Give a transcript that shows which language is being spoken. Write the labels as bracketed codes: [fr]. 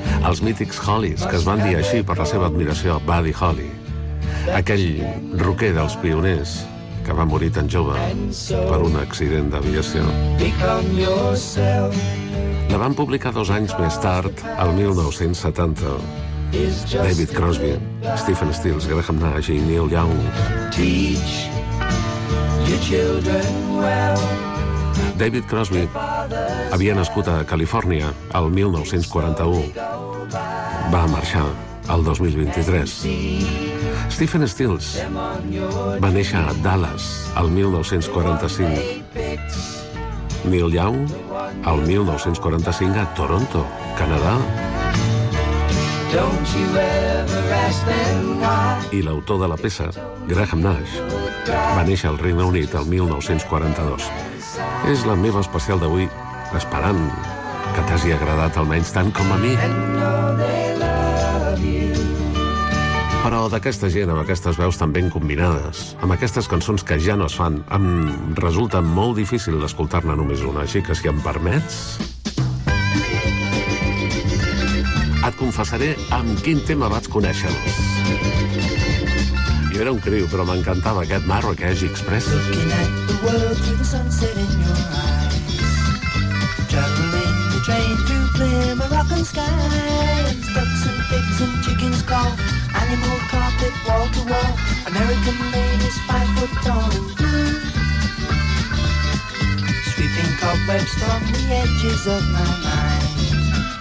[ca] Els mítics Hollies, que es van dir així per la seva admiració a Buddy Holly, aquell rocker dels pioners que va morir tan jove per un accident d'aviació. La van publicar 2 anys més tard, el 1970, David Crosby, Stephen Stills, Graham Nash i Neil Young. [en] Teach your children well. [ca] David Crosby havia nascut a Califòrnia el 1941. Va marxar el 2023. Stephen Stills va néixer a Dallas el 1945. Neil Young el 1945 a Toronto, Canadà. I l'autor de la peça, Graham Nash, va néixer al Regne Unit el 1942. És la meva especial d'avui, esperant que t'hagi agradat almenys tant com a mi. Però d'aquesta gent, amb aquestes veus tan ben combinades, amb aquestes cançons que ja no es fan, em resulta molt difícil escoltar-ne només una, així que si em permets... et confessaré amb quin tema vaig conèixer-los. Jo era un criu, però m'encantava aquest Marrakech Express. [en] Looking at the world through the sunset in your eyes, traveling the train through clear Moroccan skies. Ducks and pigs and chickens call, animal carpet wall to wall, American ladies 5 foot tall and blue, sweeping cobwebs from the edges of my mind.